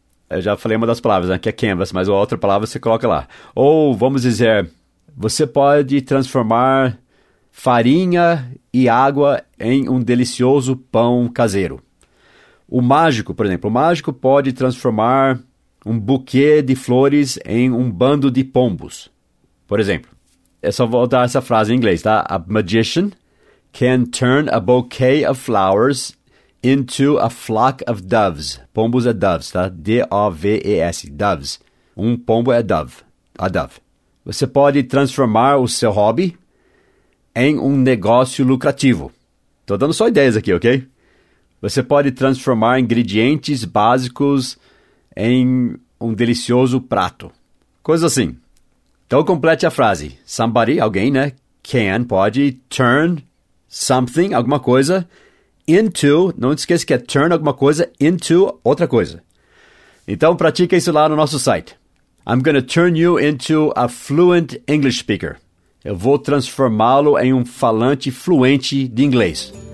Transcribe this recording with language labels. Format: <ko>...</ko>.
<pt>Eu já falei uma das palavras, né, que é canvas, mas a outra palavra você coloca lá. Ou, vamos dizer, você pode transformar farinha e água em um delicioso pão caseiro. O mágico, por exemplo, o mágico pode transformar um buquê de flores em um bando de pombos, por exemplo. Eu só vou dar essa frase em inglês, tá?</pt> <en>A magician can turn a bouquet of flowers into a flock of doves.</en> <pt>Pombos é doves, tá? D-O-V-E-S, doves. Um pombo é dove,</pt> <en>a dove.</en> <pt>Você pode transformar o seu hobby em um negócio lucrativo. Estou dando só ideias aqui, ok? Você pode transformar ingredientes básicos em um delicioso prato. Coisa assim. Então complete a frase. Somebody, alguém, né? Can, pode,</pt> <en>turn something,</en> <pt>alguma coisa, into, não esqueça que é turn alguma coisa, into outra coisa. Então pratica isso lá no nosso site.</pt> <en>I'm going to turn you into a fluent English speaker.</en> <pt>Eu vou transformá-lo em um falante fluente de inglês.</pt>